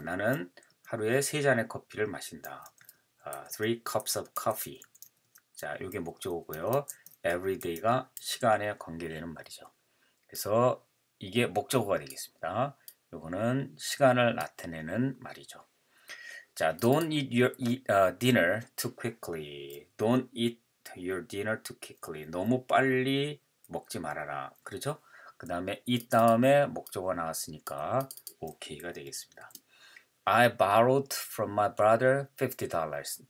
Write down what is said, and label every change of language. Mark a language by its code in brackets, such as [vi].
[ko] 나는 하루에 세 잔의 커피를 마신다. [en] Three cups of coffee. [ko] 자, 이게 목적어고요. Every day가 시간에 관계되는 말이죠. 그래서 이게 목적어가 되겠습니다. 이거는 시간을 나타내는 말이죠. [en] 자, don't eat your dinner too quickly. Don't eat your dinner too quickly. [ko] 너무 빨리 먹지 말아라. 그렇죠? 그 다음에 이 다음에 목적어 나왔으니까 OK가 되겠습니다. [en] I borrowed from my brother $50.